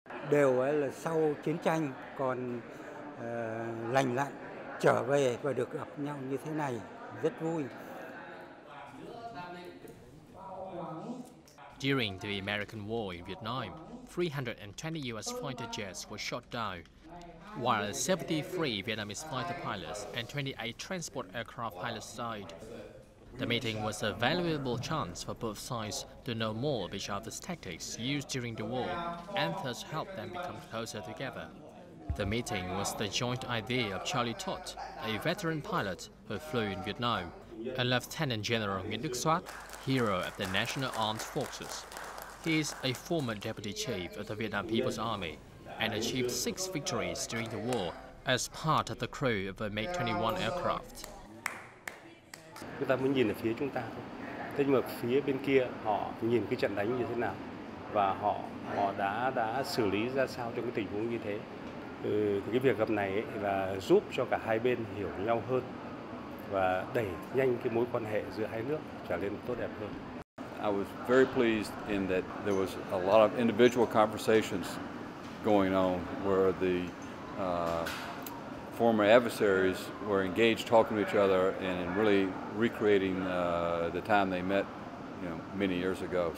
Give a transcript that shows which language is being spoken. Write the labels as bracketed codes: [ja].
[vi] Đều là sau chiến tranh còn lành lặn trở về và được gặp nhau như thế này rất vui. [en] During the American War in Vietnam, 320 U.S. fighter jets were shot down, while 73 Vietnamese fighter pilots and 28 transport aircraft pilots died. The meeting was a valuable chance for both sides to know more of each other's tactics used during the war and thus help them become closer together. The meeting was the joint idea of Charlie Tott, a veteran pilot who flew in Vietnam, and Lieutenant General Nguyễn Đức Soát, hero of the National Armed Forces. He is a former deputy chief of the Vietnam People's Army and achieved 6 victories during the war as part of the crew of a MiG-21 aircraft. [vi] Chúng ta mới nhìn ở phía chúng ta thôi. Thế nhưng mà phía bên kia họ nhìn cái trận đánh như thế nào và họ đã xử lý ra sao trong cái tình huống như thế. Cái việc gặp này ấy là giúp cho cả hai bên hiểu nhau hơn và đẩy nhanh cái mối quan hệ giữa hai nước trở nên tốt đẹp hơn. [en] I was very pleased in that there was a lot of individual conversations going on where the former adversaries were engaged talking to each other and really recreating the time they met, you know, many years ago.